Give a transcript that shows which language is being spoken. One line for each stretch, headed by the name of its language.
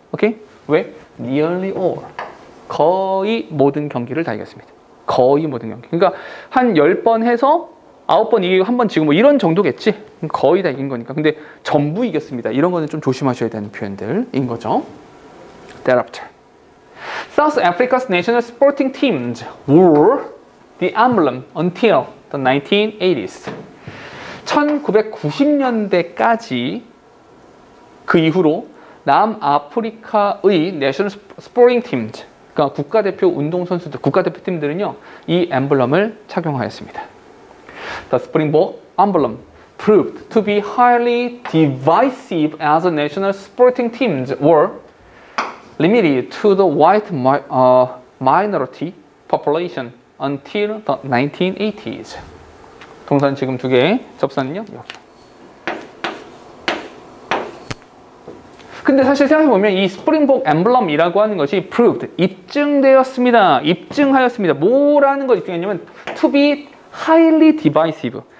Korean: 오케이? 왜?
English: Nearly all.
Korean: 거의 모든 경기를 다 이겼습니다. 거의 모든 경기. 그러니까 한 10번 해서 9번 이기고 한번 지고 뭐 이런 정도겠지? 거의 다 이긴 거니까. 근데 전부 이겼습니다. 이런 거는 좀 조심하셔야 되는 표현들인 거죠.
English: Thereafter. South Africa's national sporting teams were the emblem until the 1980s.
Korean: 1990년대까지 그 이후로 남아프리카의
English: national sporting teams,
Korean: 그러니까 국가대표 운동선수들, 국가대표팀들은요, 이 엠블럼을 착용하였습니다.
English: The Springbok emblem proved to be highly divisive as the national sporting teams were limited to the white minority population until the 1980s.
Korean: 동사는 지금 두 개, 접사는요? 여기. 근데 사실 생각해보면 이 스프링복 엠블럼이라고 하는 것이 proved, 입증되었습니다. 입증하였습니다. 뭐라는 걸 입증했냐면
English: to be highly divisive.